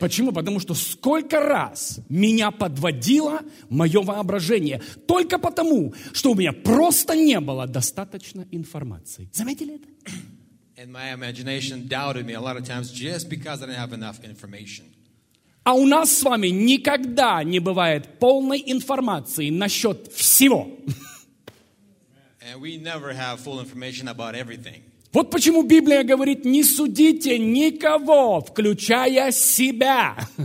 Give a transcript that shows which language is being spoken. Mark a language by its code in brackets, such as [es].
[ru] Почему? Потому что сколько раз меня подводило мое воображение только потому, что у меня просто не было достаточно информации. Заметили это? [en] And my imagination doubted me a lot of times just because I didn't have enough information. [ru] А у нас с вами никогда не бывает полной информации насчет всего. [en] And we never have full information about everything. [ru] Вот почему Библия говорит, не судите никого, включая себя.